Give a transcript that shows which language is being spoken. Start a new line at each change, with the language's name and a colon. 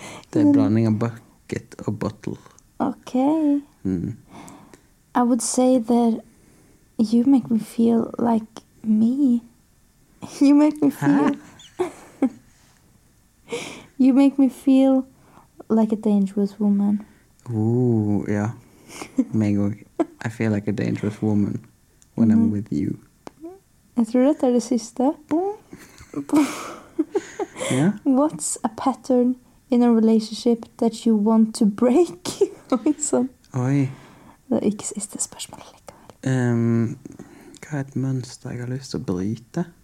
Swedish: Det är blandning av bucket och bottle.
English: Okay. Mm. I would say that you make me feel like me. You make me feel... you make me feel like a dangerous woman. Ooh, yeah. Mango, I feel like a dangerous woman when I'm with you.
Swedish: Jag tror att det är det sista.
English: Yeah. What's a pattern in a relationship that you want to break?
Swedish: Oj. Det är inte sista spörsmålet. Vad är ett mönster jag har lust att bryta?